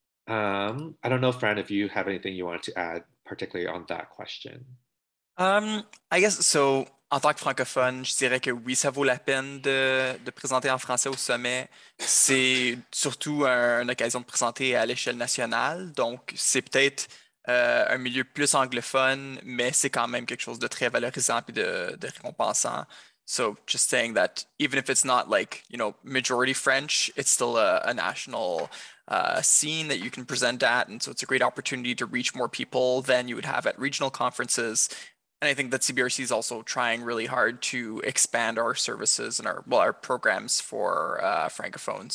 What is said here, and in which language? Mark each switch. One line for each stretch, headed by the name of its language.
English: I don't know, Fran, if you have anything you wanted to add particularly on that question. I guess, so
French: en tant que francophone, je dirais que oui, ça vaut la peine de présenter en français au sommet. C'est surtout une occasion de présenter à l'échelle nationale. Donc, c'est peut-être un milieu plus anglophone, mais c'est quand même quelque chose de très valorisant et de récompensant.
English: So just saying that even if it's not like, you know, majority French, it's still a national scene that you can present at. And so it's a great opportunity to reach more people than you would have at regional conferences. And I think that CBRC is also trying really hard to expand our services and our programs for Francophones.